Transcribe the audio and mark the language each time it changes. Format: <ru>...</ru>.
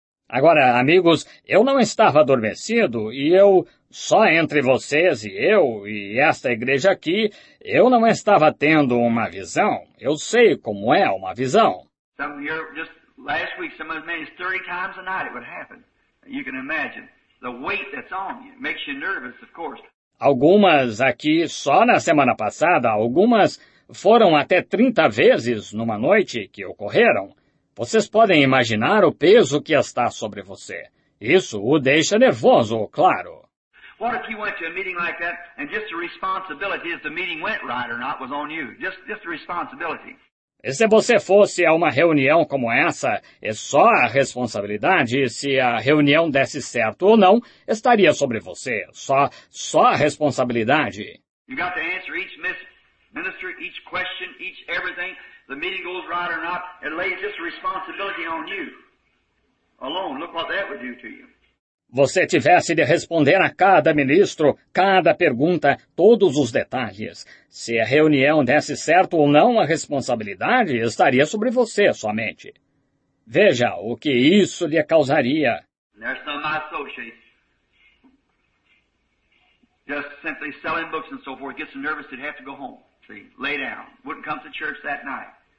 <pt>Agora, amigos, eu não estava adormecido e eu, só entre vocês e eu e esta igreja aqui, eu não estava tendo uma visão. Eu sei como é uma visão.</pt> <en>Some of you, just last week, some as many as 30 times a night it would happen. You can imagine the weight that's on you. It makes you nervous, of course.</en> <pt>Algumas aqui, só na semana passada, algumas foram até 30 vezes numa noite que ocorreram. Vocês podem imaginar o peso que está sobre você. Isso o deixa nervoso, claro.</pt> <en>What if you went to a meeting like that and just the responsibility if the meeting went right or not was on you? Just the responsibility.</en> <pt>E se você fosse a uma reunião como essa, é só a responsabilidade se a reunião desse certo ou não estaria sobre você. Só a responsabilidade.</pt> <en>You got to answer each minister, each question, each everything. The meeting goes right or not, it lays this responsibility on you. Alone, look what that would do to you.</en> <pt>Você tivesse de responder a cada ministro, cada pergunta, todos os detalhes. Se a reunião desse certo ou não, a responsabilidade estaria sobre você somente. Veja o que isso lhe causaria.</pt> <en>There's some of my associates. Just simply selling books and so forth, gets nervous, they'd have to go home. See, lay down. Wouldn't come to church that night.</en>